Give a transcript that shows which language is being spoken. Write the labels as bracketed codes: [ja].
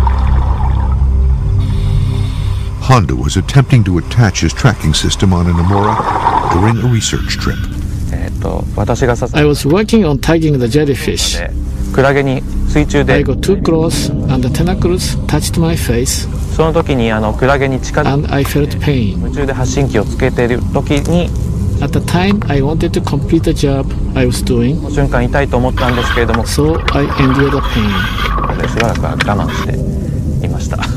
[en] Honda was attempting to attach his tracking system on a Nomura during a research trip. I was working on tagging the jellyfish. I got too close and the tentacles touched my face. [ja] その時にクラゲに近づいて、 [en] And I felt pain. [ja] 夢中で発信機をつけている時に、 [en] At the time I wanted to complete the job I was doing. [ja] その瞬間痛いと思ったんですけれども、 [en] So I endured the pain. [ja] しばらくは我慢していました。